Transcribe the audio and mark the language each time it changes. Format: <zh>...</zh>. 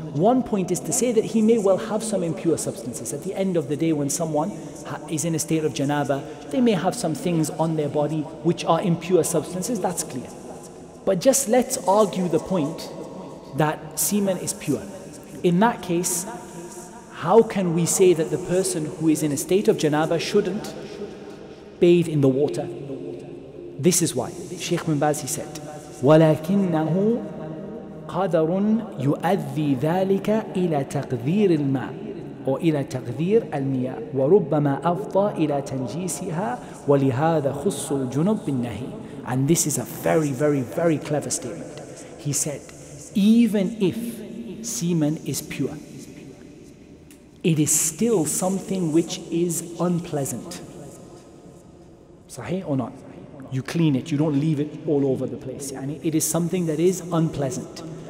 <en>One point is to say that he may well have some impure substances. At the end of the day, when someone is in a state of janaba, they may have some things on their body which are impure substances, that's clear. But just let's argue the point that semen is pure. In that case, how can we say that the person who is in a state of janaba shouldn't bathe in the water? This is why.</en> <ar>Shaykh bin Baz, he said, وَلَكِنَّهُ قَدَرٌ يُؤَذِّي ذَلِكَ إِلَى تَقْذِيرِ الْمَاءِ أو إلى تقذير المياه وربما أفضى إلى تنجيسها ولهذا خص الجنب بالنهي.</ar> <en>And this is a very, very, very clever statement. He said, even if semen is pure, it is still something which is unpleasant. Sahih or not? You clean it, you don't leave it all over the place. And it is something that is unpleasant.</en>